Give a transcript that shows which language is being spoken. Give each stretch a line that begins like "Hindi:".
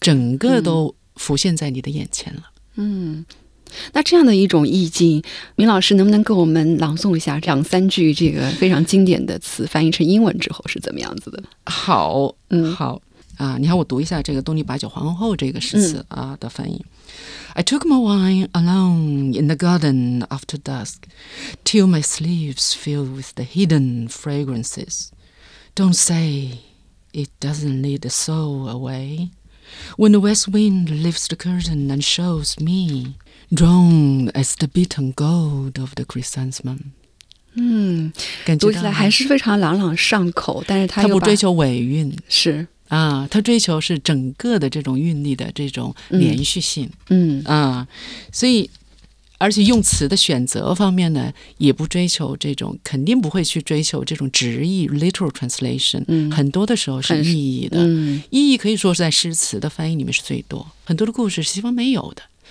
Chinese: 整个都浮现在你的眼前了。那这样的一种意境，明老师能不能给我们朗诵一下两三句这个非常经典的词翻译成英文之后是怎么样子的？好，好啊，你看我读一下这个东篱把酒黄昏后这个诗词的翻译。
English: I took my wine alone in the garden after dusk, till my sleeves filled with the hidden fragrances. Don't say it doesn't lead the soul away. When the west wind lifts the curtain and shows me,drawn as the beaten gold of the chrysanthemum，
Chinese: 感觉读起来还是非常朗朗上口，但是他不追求尾韵，是啊，他追求是整个的这种韵律的这种连续性，所以而且用词的选择方面呢，也不追求这种，肯定不会去追求这种直译
English: literal translation，
Chinese: 很多的时候是意义的，意义可以说是在诗词的翻译里面是最多，很多的故事西方没有的。